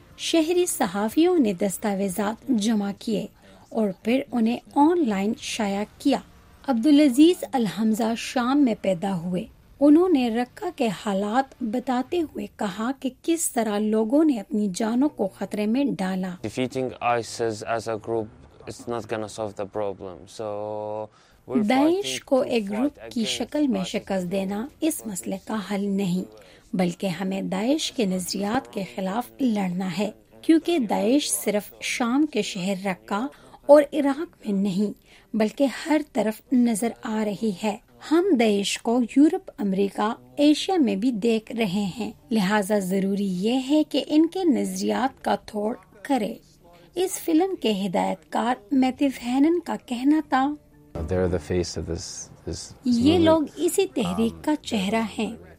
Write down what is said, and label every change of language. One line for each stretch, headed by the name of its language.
Urdu: شہری صحافیوں نے دستاویزات جمع کیے اور پھر انہیں آن لائن شائع کیا. عبدالعزیز الحمزہ شام میں پیدا ہوئے. انہوں نے رقہ کے حالات بتاتے ہوئے کہا کہ کس طرح لوگوں نے اپنی جانوں کو خطرے میں ڈالا.
English: Defeating ISIS as a group is not gonna solve the problem. So
Urdu: داعش کو ایک گروپ کی شکل میں شکست دینا اس مسئلے کا حل نہیں بلکہ ہمیں داعش کے نظریات کے خلاف لڑنا ہے کیونکہ داعش صرف شام کے شہر رقہ اور عراق میں نہیں بلکہ ہر طرف نظر آ رہی ہے۔ ہم داعش کو یورپ، امریکہ، ایشیا میں بھی دیکھ رہے ہیں، لہٰذا ضروری یہ ہے کہ ان کے نظریات کا توڑ کرے۔ اس فلم کے ہدایت کار میتھیو ہینن کا کہنا تھا، یہ لوگ اسی تحریک کا چہرہ ہیں،